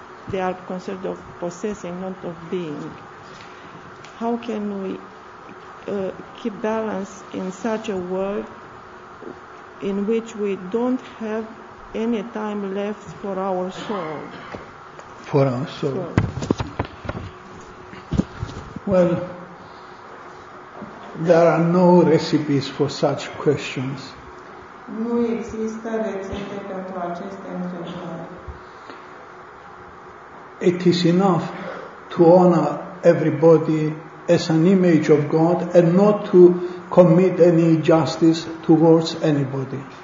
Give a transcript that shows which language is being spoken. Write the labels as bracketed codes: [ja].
[en] They are concerned of possessing, not of being. How can we keep balance in such a world in which we don't have any time left for our soul? For our soul. Well, there are no recipes for such questions. [ro] Nu există rețete pentru aceste întrebări. [en] It is enough to honor everybody as an image of God and not to commit any injustice towards anybody.